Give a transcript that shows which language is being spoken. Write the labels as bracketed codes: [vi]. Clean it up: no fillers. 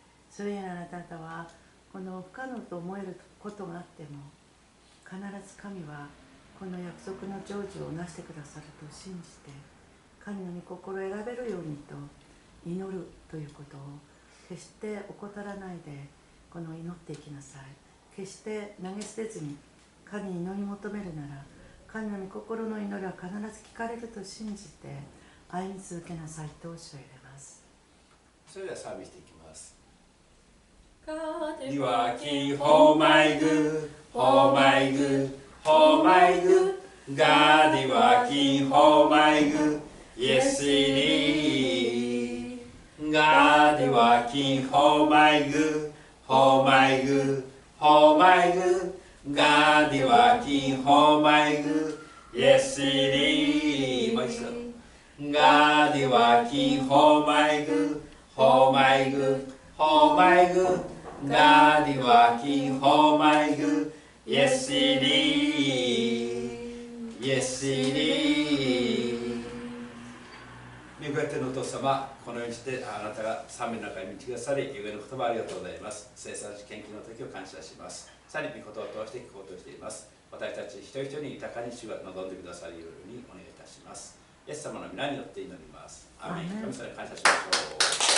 [ja] それにあなた方はこの不可能と思えることがあっても必ず神はこの約束の成就をなしてくださると信じて神の御心を選べるようにと祈るということを決して怠らないでこの祈っていきなさい。決して投げ捨てずに神に祈り求めるなら神の御心の祈りは必ず聞かれると信じて歩み続けなさいとおっしゃいます。それではサービスしていきます。 [en] God is working for my good, for my good, for my good. God is working for my good, yes it is. God is working for my good, for my good, for my good. God is working for my good, yes it is. God is working for my good, for my good, for my good. God is working for my good, yes it is. Yes it is. [ja] 御子天のお父様、このようにしてあなたが賛美の中に導き出され、御言葉ありがとうございます。聖餐式献金の時を感謝します。さらに御言葉を通して聞こうとしています。私たち一人一人に豊かに主が望んでくださるようにお願いいたします。イエス様の御名によって祈ります。アーメン。神様に感謝します。